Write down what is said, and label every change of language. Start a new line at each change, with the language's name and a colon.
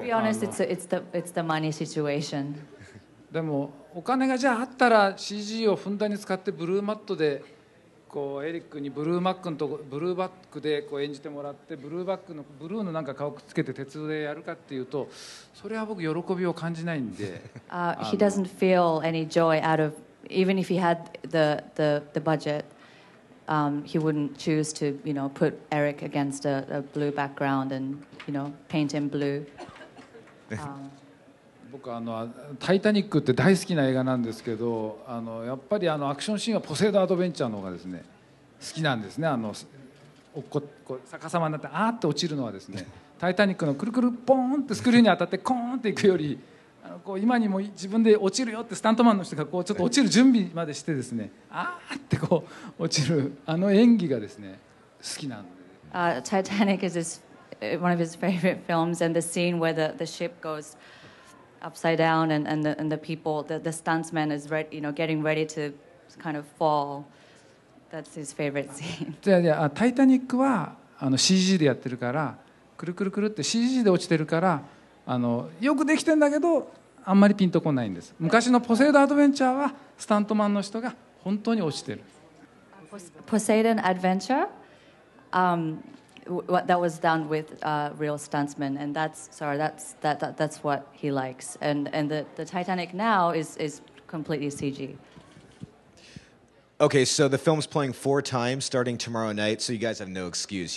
English: To be honest, it's the money situation.
Japanese: でもお金がじゃああったら CG をふんだんに使ってブルーマットでこうエリックにブルーマックのとこブルーバックでこう演じてもらってブルーバックのブルーのなんか顔くっつけて鉄でやるかっていうとそれは僕喜びを感じないんで。
English: He doesn't feel any joy out of even if he had the budget, he wouldn't choose to, you know, put Eric against a blue background and, you know, paint him blue.
Japanese: 僕あのタイタニックって大好きな映画なんですけど、あのやっぱりあのアクションシーンはポセイドアドベンチャーの方がですね好きなんですね。あのこう逆さまになってあーって落ちるのはですね、タイタニックのくるくるポーンってスクリーンに当たってコーンっていくより、あのこう今にも自分で落ちるよってスタントマンの人がこうちょっと落ちる準備までしてですね、あーってこう落ちるあの演技がですね好きなんで。
English: タイタニック is one of his favorite films, and the scene where the ship goesupside down and the people, the stuntsman is ready, you know, getting ready to kind of fall. That's his favorite scene. Yeah, yeah.
Japanese: Titanic はあの CG でやってるから、くるくるくるって CG で落ちてるから、あのよくできてんだけど、あんまりピンとこないんです。昔のポセイドアドベンチャーはスタントマンの人が本当に落ちてる。
English: Poseidon Adventure, that was done with real stuntsmen, and that's what he likes. And the Titanic now is completely CG. Okay, so the film's playing four times starting tomorrow night, so you guys have no excuse.